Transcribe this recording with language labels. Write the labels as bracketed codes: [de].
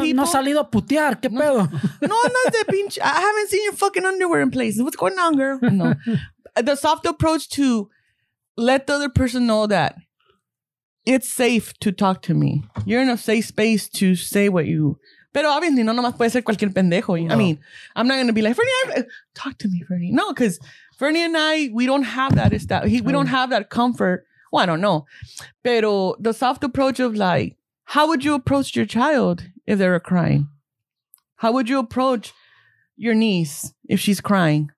[en] people. [es] No salido a putear, qué pedo? No, no, de pinche, [en] I haven't seen your fucking underwear in places. What's going on, girl? No. The soft approach to let the other person know that it's safe to talk to me. You're in a safe space to say what you. [es] Pero obviously, no nomás puede ser cualquier pendejo. [en] No. I mean, I'm not going to be like, Fernie, talk to me, Fernie. No, because Fernie and I, we don't have that. We don't have that comfort. Well, I don't know. Pero the soft approach of like, how would you approach your child if they were crying? How would you approach your niece if she's crying?